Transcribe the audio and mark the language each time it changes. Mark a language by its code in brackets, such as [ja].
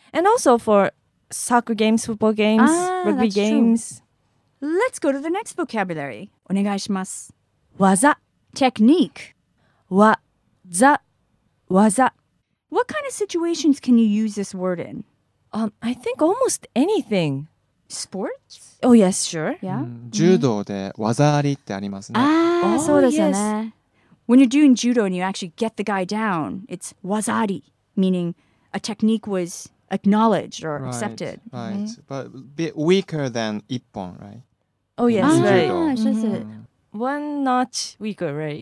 [en] And also for soccer games, football games, rugby that's games. True. Let's go to the next vocabulary. [ja] お願いします。技. [en] Technique. [ja] 技.技. [en] What kind of situations can you use this word in? I think almost anything. Sports? Oh, yes, sure. Yeah. [ja] 柔道で技ありってありますね。そうですよね。Yes. [en] When you're doing judo and you actually get the guy down, it's wazari, meaning a technique was acknowledged or accepted. Right, right. Mm-hmm. But a bit weaker than ippon, right? Oh, yes, right. One notch weaker, right?